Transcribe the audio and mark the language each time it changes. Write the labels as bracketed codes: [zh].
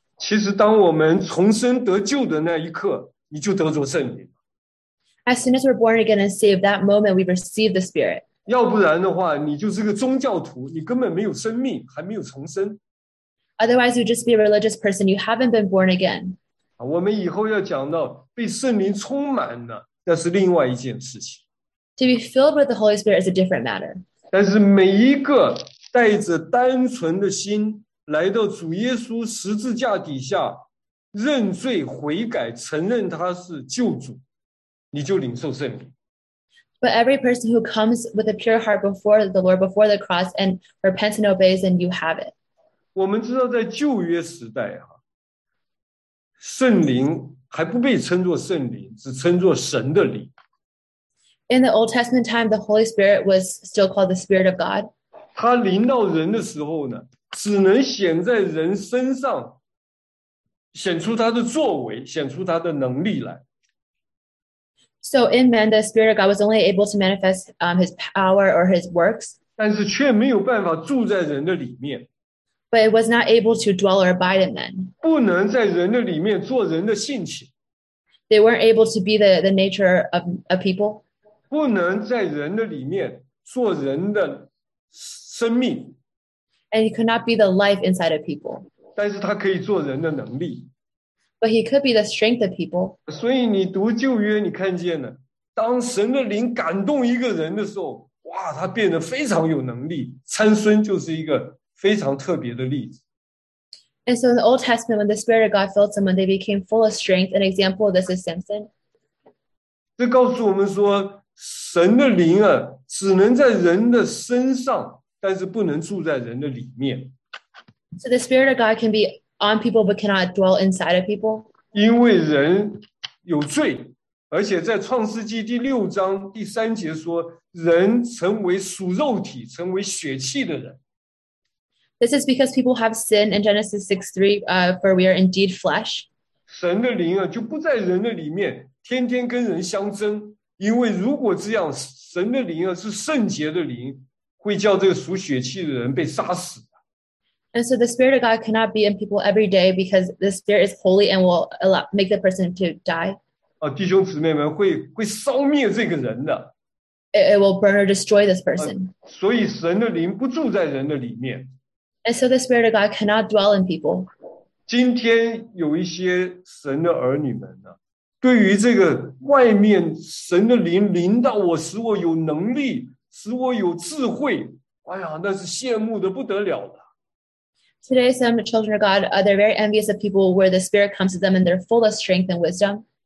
[zh] 其实当我们重生得救的那一刻，你就得着圣灵。 [en] As soon as we're born again and saved, that moment we receive the Spirit. [zh] 要不然的话，你就是个宗教徒，你根本没有生命，还没有重生。 [en] Otherwise, you'd just be a religious person. You haven't been born again. [zh] 我们以后要讲到被圣灵充满了，那是另外一件事情。 [en] To be filled with the Holy Spirit is a different matter. [zh] 但是每一个带着单纯的心来到主耶稣十字架底下认罪悔改，承认他是救主，你就领受圣灵。 [en] But every person who comes with a pure heart before the Lord, before the cross, and repents and obeys, and you have it. [zh] 我们知道在旧约时代，圣灵还不被称作圣灵，只称作神的灵。 [en] In the Old Testament time, the Holy Spirit was still called the Spirit of God. [zh] 他临到人的时候呢，只能显在人身上，显出他的作为，显出他的能力来。 [en] So in man, the Spirit of God was only able to manifest his power or his works. [zh] 但是却没有办法住在人的里面。 [en] But it was not able to dwell or abide in men. [zh] 不能在人的里面做人的性情。 [en] They weren't able to be the nature of a people. [zh] 不能在人的里面做人的生命。 [en] And he could not be the life inside of people. [zh] 但是他可以做人的能力。 [en] But he could be the strength of people. [zh] 所以你读旧约，你看见了，当神的灵感动一个人的时候，哇，他变得非常有能力。参孙就是一个。非常特别的例子。 [en] And so in the Old Testament, when the Spirit of God filled someone, they became full of strength. An example of this is Samson. [zh] 这告诉我们说，神的灵啊，只能在人的身上，但是不能住在人的里面。 [en] So the Spirit of God can be on people, but cannot dwell inside of people. [zh] 因为人有罪，而且在创世纪第六章第三节说，人成为属肉体，成为血气的人。 [en] This is because people have sin in Genesis 6:3, for we are indeed flesh. [zh] 神的灵啊，就不在人的里面，天天跟人相争。因为如果这样，神的灵啊是圣洁的灵，会叫这个属血气的人被杀死。 [en] And so the Spirit of God cannot be in people every day because the Spirit is holy and will allow, make the person to die. [zh] 啊，弟兄姊妹们会烧灭这个人的。 [en] It will burn or destroy this person. [zh] 所以神的灵不住在人的里面。 [en] And so the Spirit of God cannot dwell in people. [zh] 今天有一些神的儿女们呢，对于这个外面神的灵临到我，使我有能力，使我有智慧，哎呀，那是羡慕的不得了的。 [en] Today, some children of God are they're very envious of people where the Spirit comes to them and they're full of strength and wisdom.